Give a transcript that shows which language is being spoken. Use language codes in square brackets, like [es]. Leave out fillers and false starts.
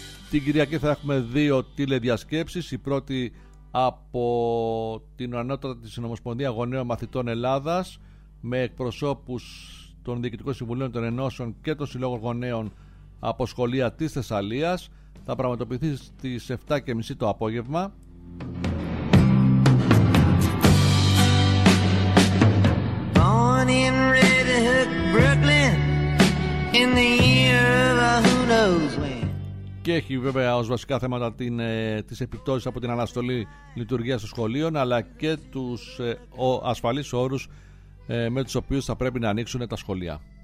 [el] Την Κυριακή θα έχουμε δύο τηλεδιασκέψεις. Η πρώτη από την Ανώτατη της Συνομοσπονδίας Γονέων Μαθητών Ελλάδας με εκπροσώπους των Διοικητικών Συμβουλίων των Ενώσεων και των Συλλόγων Γονέων από σχολεία της Θεσσαλίας θα πραγματοποιηθεί στις 7.30 το απόγευμα. [en] Born in Red Hook, Brooklyn, in the year of a who knows when. [el] Και έχει βέβαια ως βασικά θέματα τις επιπτώσεις από την αναστολή λειτουργίας των σχολείων αλλά και τους ασφαλείς όρους με τους οποίους θα πρέπει να ανοίξουν τα σχολεία.